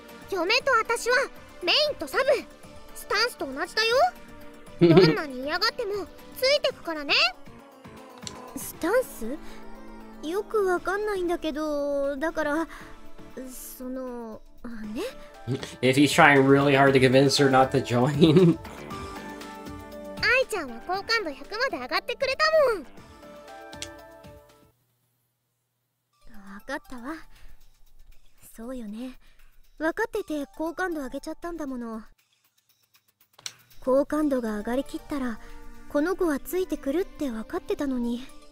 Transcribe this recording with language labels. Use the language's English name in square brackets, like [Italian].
[Japanese] 嫁と私はメインとサブ、スタンスと同じだよ。どんなに嫌がってもついてくからね。スタンス？よくわかんないんだけど、だからそのね。 [English] If he's trying really hard to convince her not to join. [Japanese] アイちゃんは好感度100まで上がってくれたもん。分かったわ。そうよね。分かってて好感度上げちゃったんだもの。好感度が上がりきったらこの子はついてくるって分かってたのに。